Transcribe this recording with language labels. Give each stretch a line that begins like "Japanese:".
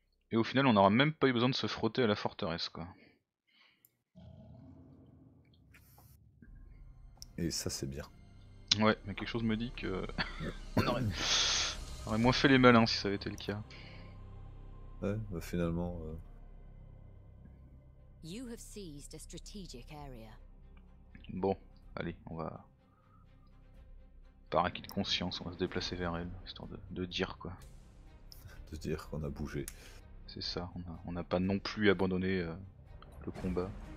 French: Et au final, on n'aura même pas eu besoin de se frotter à la forteresse, quoi. Et ça, c'est bien. Ouais, mais quelque chose me dit que. on aurait moins fait les malins si ça avait été le cas. Ouais, bah finalement.
English: You have seized a strategic area.
French: Bon, allez, on va. Par acquis de conscience, on va se déplacer vers elle, histoire de dire quoi. De dire qu'on a bougé. C'est ça, on a pas non plus abandonné le combat.